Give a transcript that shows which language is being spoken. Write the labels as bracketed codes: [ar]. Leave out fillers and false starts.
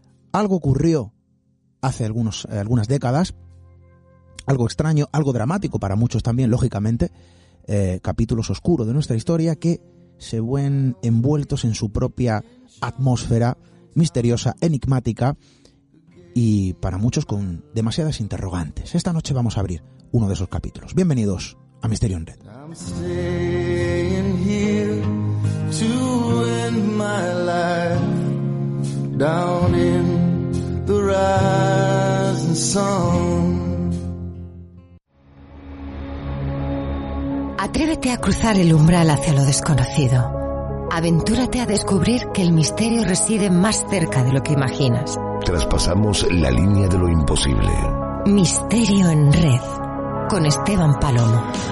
[es] Algo ocurrió hace algunas décadas, algo extraño, algo dramático para muchos también, lógicamente, capítulos oscuros de nuestra historia que se ven envueltos en su propia atmósfera misteriosa, enigmática, y para muchos con demasiadas interrogantes. Esta noche vamos a abrir uno de esos capítulos. Bienvenidos a Misterio en Red. [en] I'm staying here to end my life down in the rising sun. [es] Atrévete a cruzar el umbral hacia lo desconocido. Aventúrate a descubrir que el misterio reside más cerca de lo que imaginas. Traspasamos la línea de lo imposible. Misterio en Red, con Esteban Palomo.